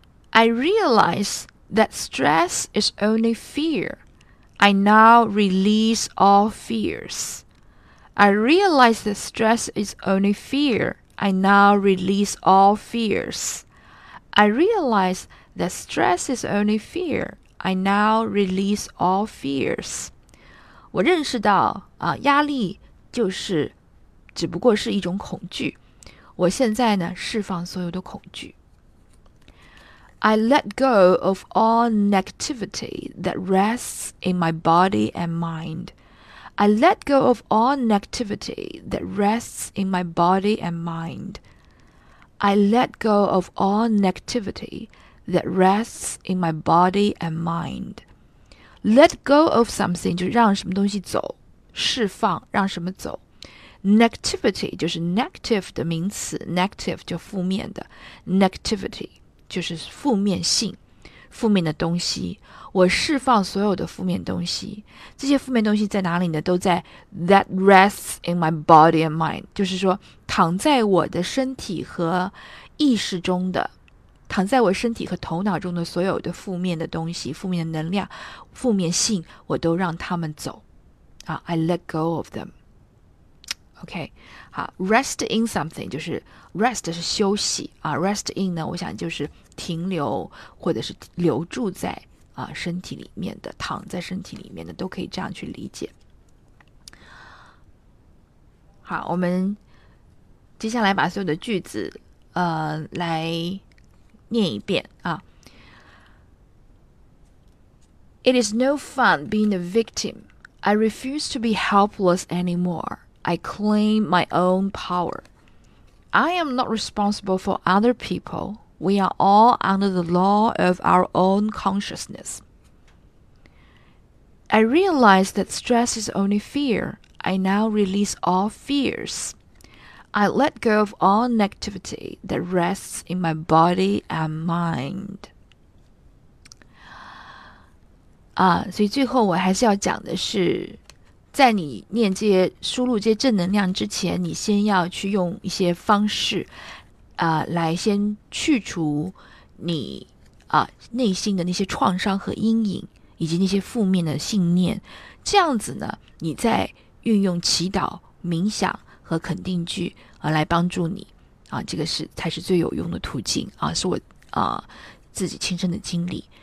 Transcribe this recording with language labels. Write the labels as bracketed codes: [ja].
[en] I realize that stress is only fear. I now release all fears. I realize that stress is only fear. I now release all fears. I realize that stress is only fear. I now release all fears. [zh] 我认识到啊，压力就是只不过是一种恐惧。我现在呢，释放所有的恐惧。 [en] I let go of all negativity that rests in my body and mind. I let go of all negativity that rests in my body and mind. I let go of all negativity that rests in my body and mind. [zh] Let go of something 就是让什么东西走，释放，让什么走。 Negativity 就是 negative 的名词 ，negative 就负面的 negativity。就是负面性，负面的东西，我释放所有的负面东西，这些负面东西在哪里呢？都在 that rests in my body and mind，就是说躺在我的身体和意识中的，躺在我身体和头脑中的所有的负面的东西，负面的能量，负面性，我都让他们走啊、 I let go of them。 OK， 好 ，rest in something 就是 rest 是休息啊 ，rest in 呢，我想就是停留或者是留住在啊身体里面的，躺在身体里面的都可以这样去理解。好，我们接下来把所有的句子来念一遍啊。 [en] It is no fun being a victim. I refuse to be helpless anymore. I claim my own power. I am not responsible for other people. We are all under the law of our own consciousness. I realize that stress is only fear. I now release all fears. I let go of all negativity that rests in my body and mind. [zh] 所以最后我还是要讲的是在你念这些输入这些正能量之前，你先要去用一些方式来先去除你内心的那些创伤和阴影以及那些负面的信念，这样子呢你再运用祈祷冥想和肯定句来帮助你这个是才是最有用的途径是我自己亲身的经历。